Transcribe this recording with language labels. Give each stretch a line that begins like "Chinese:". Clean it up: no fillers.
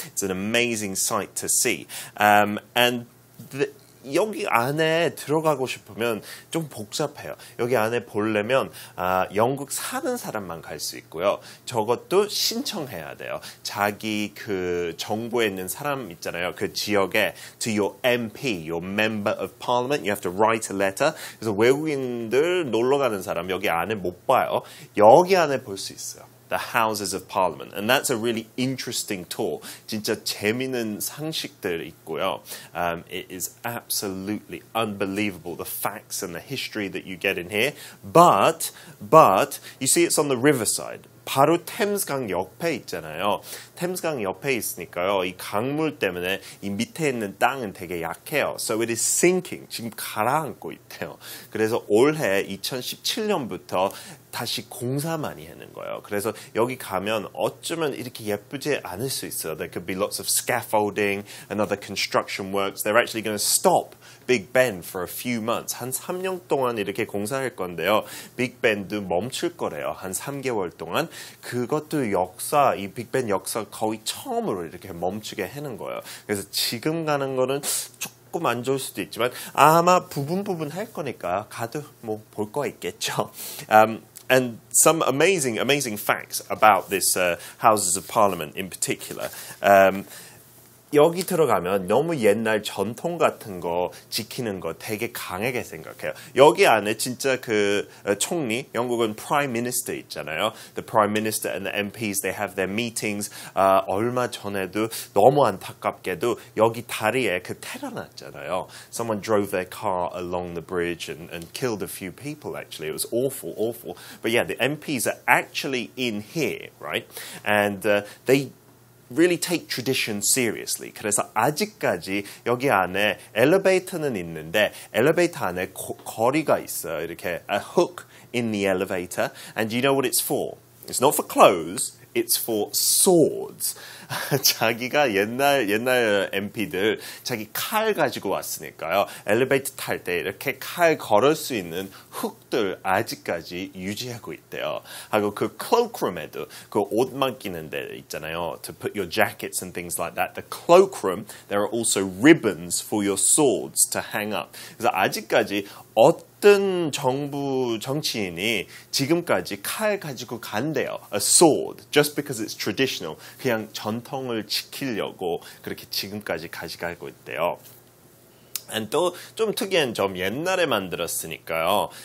English: It's an amazing sight to see.
Korean: And 여기 안에 들어가고 싶으면 좀 복잡해요. 여기 안에 보려면 영국 사는 사람만 갈 수 있고요. 저것도 신청해야 돼요. 자기 그 정부에 있는 사람 있잖아요. 그 지역에
English: to your MP, your member of parliament, you have to write a letter.
Korean: 그래서 외국인들 놀러 가는 사람 여기 안에 못 봐요. 여기 안에 볼 수 있어요.
English: The Houses of Parliament. And that's a really interesting tour.
Korean: 진짜 재미있는 상식들 있고요.
English: It is absolutely unbelievable, the facts and the history that you get in here. But, you see it's on the riverside.
Korean: 바로 템스강 옆에 있잖아요. 템스강 옆에 있으니까요. 이 강물 때문에 이 밑에 있는 땅은 되게 약해요.
English: So it is sinking.
Korean: 지금 가라앉고 있대요. 그래서 올해 2017년부터 다시 공사 많이 하는 거예요. 그래서 여기 가면 어쩌면 이렇게 예쁘지 않을 수 있어요.
English: There could be lots of scaffolding and other construction works. They're actually going to stop Big Ben for a few months.
Korean: 한 3년 동안 이렇게 공사할 건데요. Big Ben도 멈출 거래요. 한 3개월 동안. 그것도 역사, 이 Big Ben 역사 거의 처음으로 이렇게 멈추게 하는 거예요. 그래서 지금 가는 거는 조금 안 좋을 수도 있지만 아마 부분 할 거니까 가도 뭐 볼 거 있겠죠.
English: And some amazing facts about this Houses of Parliament in particular.
Korean: 여기 들어가면 너무 옛날 전통 같은 거 지키는 거 되게 강하게 생각해요. 여기 안에 진짜 그 총리, 영국은 Prime Minister 있잖아요.
English: The Prime Minister and the MPs, they have their meetings.
Korean: 얼마 전에도 너무 안타깝게도 여기 다리에 그 태어났잖아요.
English: Someone drove their car along the bridge and killed a few people, actually. It was awful. But yeah, the MPs are actually in here, right? And they really take tradition seriously.
Korean: 그래서 아직까지 여기 안에 엘리베이터는 있는데 엘리베이터 안에 거리가 있어요. 이렇게
English: a hook in the elevator. And you know what it's for? It's not for clothes. It's for swords.
Korean: 자기가 옛날 MP들 자기 칼 가지고 왔으니까요. 엘리베이터 탈 때 이렇게 칼 걸을 수 있는 훅들 아직까지 유지하고 있대요. 하고 그 cloakroom에도 그 옷 맡기는 데 있잖아요.
English: To put your jackets and things like that. The cloakroom, there are also ribbons for your swords to hang up.
Korean: 그래서 아직까지 어떤 정부 정치인이 지금까지 칼 가지고 간대요.
English: A sword, just because it's traditional.
Korean: 그냥 전통을 지키려고 그렇게 지금까지 가져가고 있대요. And 또 좀 특이한 점, 옛날에 만들었으니까요.